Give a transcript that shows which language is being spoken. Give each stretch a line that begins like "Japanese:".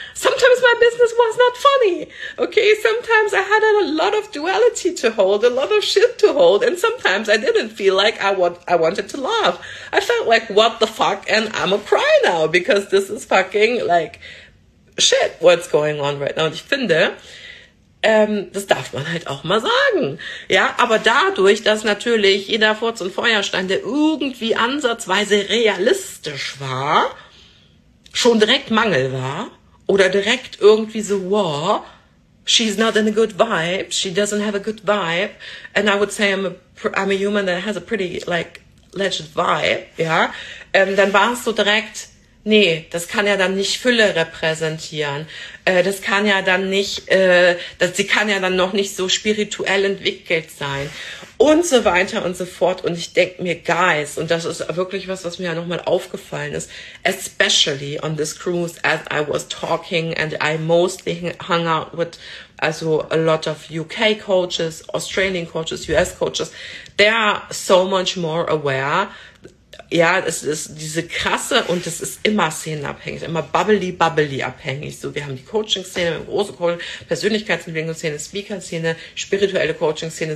English: Sometimes my business was not funny. Okay, sometimes I had a lot of duality to hold, a lot of shit to hold, and sometimes I didn't feel like I wanted to laugh. I felt like what the fuck, and I'ma cry now because this is fucking like shit, what's going on right now.
German: Und ich finde, das darf man halt auch mal sagen. Ja, aber dadurch, dass natürlich jeder Furz und Feuerstein, der irgendwie ansatzweise realistisch war, schon direkt Mangel war oder direkt irgendwie so, wow,
English: she's not in a good vibe, she doesn't have a good vibe, and I would say I'm a human that has a pretty like legit vibe,
German: ja, dann war es so direkt, nee, das kann ja dann nicht Fülle repräsentieren, das kann ja dann nicht, sie kann ja dann noch nicht so spirituell entwickelt sein und so weiter und so fort. Und ich denke mir, Guys, und das ist wirklich was, was mir ja nochmal aufgefallen ist,
English: especially on this cruise, as I was talking and I mostly hung out with also a lot of UK coaches, Australian coaches, US coaches, they are so much more aware.
German: Ja, es ist diese krasse und es ist immer szenenabhängig, immer bubbly, bubbly abhängig. So, wir haben die Coaching-Szene, große Co Persönlichkeitsentwicklungsszene, Speaker-Szene, spirituelle Coaching-Szene.